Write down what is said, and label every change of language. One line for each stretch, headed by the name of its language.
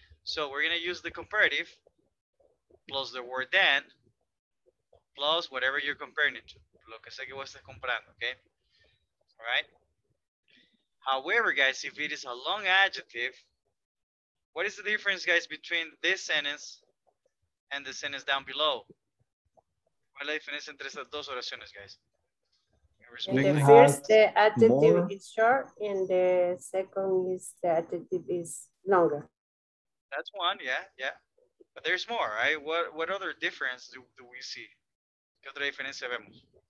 English: So we're going to use the comparative plus the word then plus whatever you're comparing it to.
Spanish: Lo que sea que vos estés comparando,
English: okay? All right? However, guys, if it is a long adjective, what is the difference, guys, between this sentence and the sentence down below?
Spanish: ¿Cuál es la diferencia entre estas dos oraciones, guys?
English: In the first, the adjective more. Is short, and the second is the adjective is longer. That's one, yeah. But there's more, right? What other difference do we see?
Spanish: ¿Qué otra diferencia vemos?